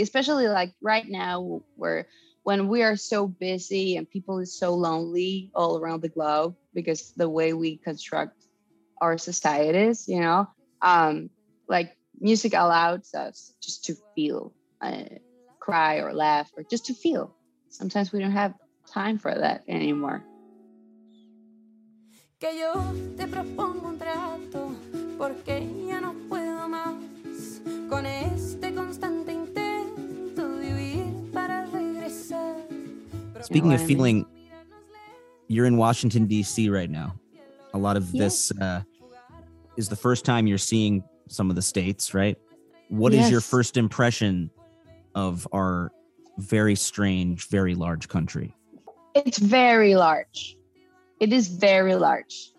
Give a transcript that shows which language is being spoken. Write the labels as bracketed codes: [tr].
[en] Especially like right now, where when we are so busy and people are so lonely all around the globe, because the way we construct our societies, you know, like music allows us just to feel, cry or laugh or just to feel. Sometimes we don't have time for that anymore. [es] Que yo te propongo un trato, porque ya no puedo más con este constante intento de vivir para regresar. [en] Speaking of feeling, you're in Washington, D.C. right now. A lot of this is the first time you're seeing some of the states, right? What is your first impression of our very strange, very large country? It's very large. It is very large.